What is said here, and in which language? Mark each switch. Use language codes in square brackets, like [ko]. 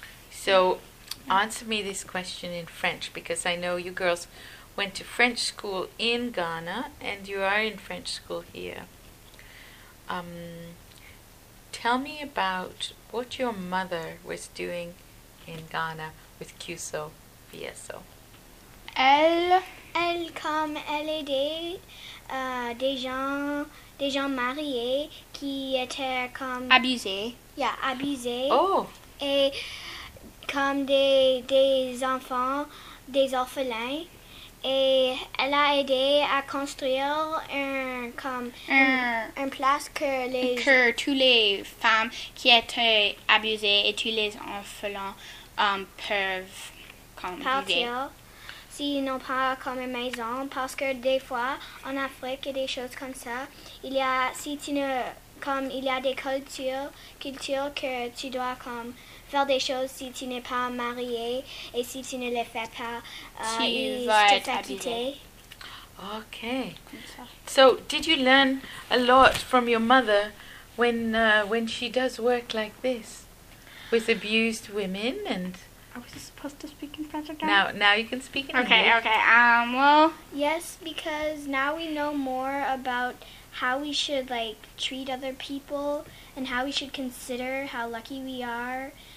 [en] So answer me this question in French, because I know you girls went to French school in Ghana, and you are in French school here. Tell me about what your mother was doing in Ghana with Kuso Vieso. [fr] Elle comme elle aidait des gens mariés qui étaient comme abusés. Oh. Et comme des enfants, des orphelins. Et elle a aidé à construire un place que toutes les femmes qui étaient abusées et tous les enfants peuvent partir s'ils n'ont pas comme une maison, parce que des fois en Afrique et des choses comme ça, il y a des cultures que tu dois comme faire des choses si tu n'es pas marié, et si tu ne les fais pas, tu vas être quitté. [en] Okay. So, did you learn a lot from your mother when she does work like this with abused women? And I was supposed to speak in French again. Now you can speak in English. Okay. Well, yes, because now we know more about how we should like treat other people and how we should consider how lucky we are.